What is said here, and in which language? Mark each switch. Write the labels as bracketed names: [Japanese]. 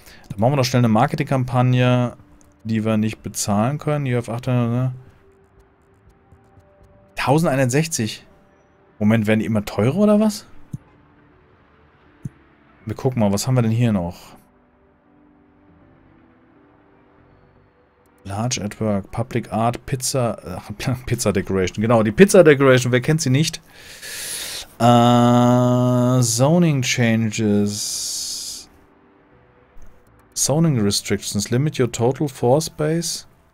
[German] Da machen wir doch schnell eine Marketingkampagne, die wir nicht bezahlen können. Hier auf 800, ne? 1160. Moment, werden die immer teurer oder was? Wir gucken mal, was haben wir denn hier noch? [English] Large Artwork, Public Art, Pizza... [German] Pizza Decoration, genau, die Pizza Decoration, wer kennt sie nicht? [English] Zoning Changes... Zoning Restrictions, limit your total floor space...